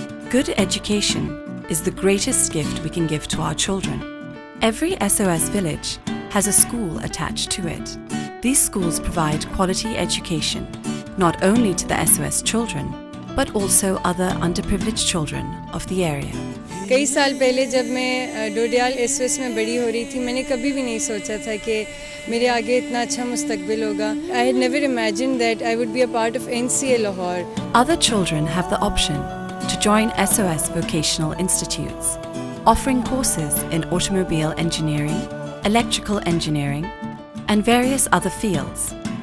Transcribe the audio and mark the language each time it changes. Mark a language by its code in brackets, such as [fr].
[en] Good education is the greatest gift we can give to our children. Every SOS village has a school attached to it. These schools provide quality education, not only to the SOS children, but also other underprivileged children of the area. [hi] कई साल पहले जब मैं डोडियाल SOS में बड़ी हो रही थी, मैंने कभी भी नहीं सोचा था कि मेरे आगे इतना अच्छा मुस्तकबिल होगा. [en] I had never imagined that I would be a part of NCA Lahore. Other children have the option to join SOS vocational institutes, offering courses in automobile engineering, electrical engineering, and various other fields.